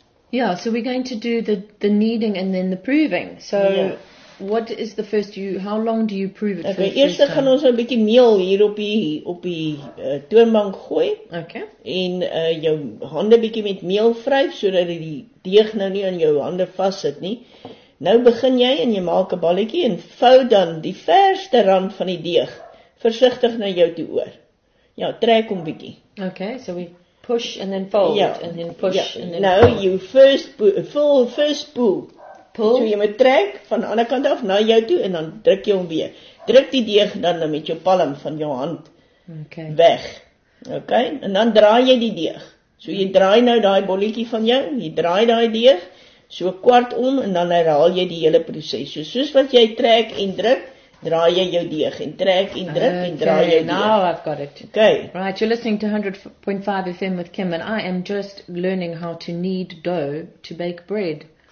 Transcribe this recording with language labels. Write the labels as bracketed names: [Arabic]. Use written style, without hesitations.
[English] Yeah, so we're going to do the kneading and then the proving. So yeah. What is the first how long do you prove it? [Afrikaans] Okay, eers gaan ons 'n bietjie meel hier op die toonbank gooi. Okay. En jou hande bietjie met meel vryf sodat die deeg nou nie aan jou hande vassit nie. Nou begin jy en jy maak 'n balletjie en vou dan die verste rand van die deeg versigtig na jou toe oor. Ja, trek hom bietjie. [English] Okay, so we push and then fold, yeah, and then push, yeah, and then no, fold. You first pull. Pull. [Afrikaans] So jy moet trek van die ander kant af na jou toe en dan druk jy hom weer. Druk die deeg dan met jou palm van jou hand. Okay. Weg. Okay? En dan draai jy die deeg. So jy draai nou daai bolletjie van jou, jy draai daai deeg so kwart om en dan herhaal jy die hele proses. So soos wat jy trek en druk, draai jy jou deeg en trek en druk en draai jy. [English] Now I've got it. Okay. Right, you're listening to 100.5 FM with Kim and I am just learning how to knead dough to bake bread.